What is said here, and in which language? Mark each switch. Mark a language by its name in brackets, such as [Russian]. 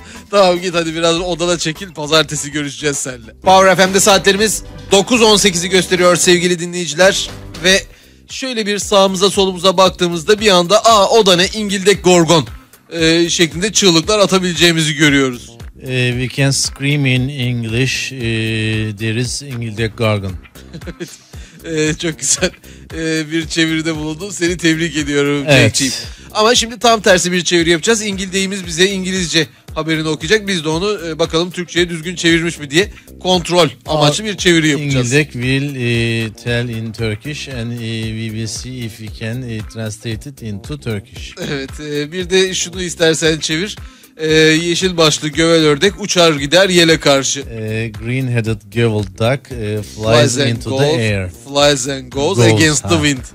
[Turkish] Tamam git hadi biraz odada çekil. Pazartesi görüşeceğiz seninle. Power FM'de saatlerimiz 9.18'i gösteriyor sevgili dinleyiciler. Ve şöyle bir sağımıza solumuza baktığımızda bir anda aa o da ne İngildek Gorgon şeklinde çığlıklar atabileceğimizi görüyoruz. [English] We can scream in English, there is İngildek Gorgon. [Turkish] çok güzel bir çeviride bulundun. Seni tebrik ediyorum. Evet. Ama şimdi tam tersi bir çeviri yapacağız. İngildeğimiz bize İngilizce haberini okuyacak. Biz de onu bakalım Türkçe'ye düzgün çevirmiş mi diye kontrol amaçlı bir çeviri yapacağız. [English] İngildek will tell in Turkish and we will see if we can translate it into Turkish. [Turkish] Evet, bir de şunu istersen çevir. Yeşil başlı gövel ördek uçar gider yele karşı. [English] Green-headed gobbled duck flies into goes, the air. Flies and goes against the wind.